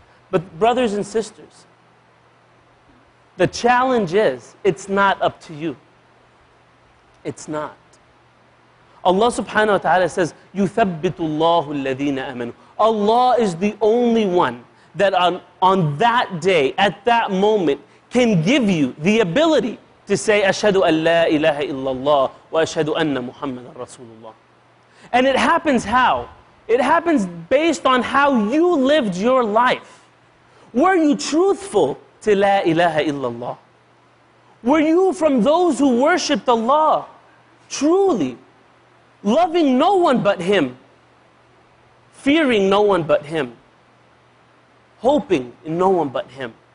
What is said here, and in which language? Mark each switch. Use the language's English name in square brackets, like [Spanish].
[English] But brothers and sisters, the challenge is, it's not up to you. It's not. Allah subhanahu wa ta'ala says, [Arabic] يُثَبِّتُ اللَّهُ الَّذِينَ آمَنُوا. [English] Allah is the only one that on that day, at that moment, can give you the ability to say, [Arabic] أَشْهَدُ أَنْ لَا إِلَهَ إِلَّا اللَّهِ وَأَشْهَدُ أَنَّ مُحَمَّدًا رَسُولُ اللَّهِ. [English] And it happens how? It happens based on how you lived your life. Were you truthful to [Arabic] لا إله إلا الله? [English] Were you from those who worshipped Allah truly, loving no one but Him, fearing no one but Him, hoping in no one but Him?